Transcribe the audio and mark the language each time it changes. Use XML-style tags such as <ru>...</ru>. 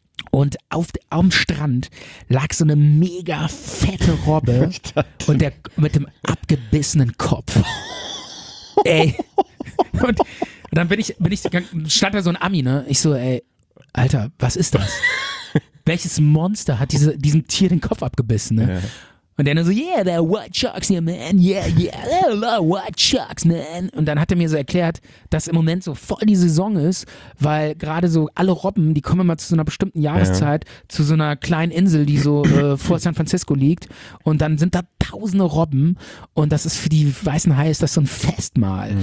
<de>Und auf am Strand lag so eine mega fette Robbe und der mit dem abgebissenen Kopf. Ey. Und dann bin ich stand da so ein Ami, ne? Ich so, ey, Alter, was ist das? Welches Monster hat diesem Tier den Kopf abgebissen, ne? Ja. Und der dann so,</de> <en>yeah, there are white sharks here, man. Yeah, yeah, there are white sharks, man.</en> <de>Und dann hat er mir so erklärt, dass im Moment so voll die Saison ist, weil gerade so alle Robben, die kommen immer zu so einer bestimmten Jahreszeit, ja, zu so einer kleinen Insel, die so vor San Francisco liegt. Und dann sind da tausende Robben und das ist für die weißen Haie ist das so ein Festmahl.</de>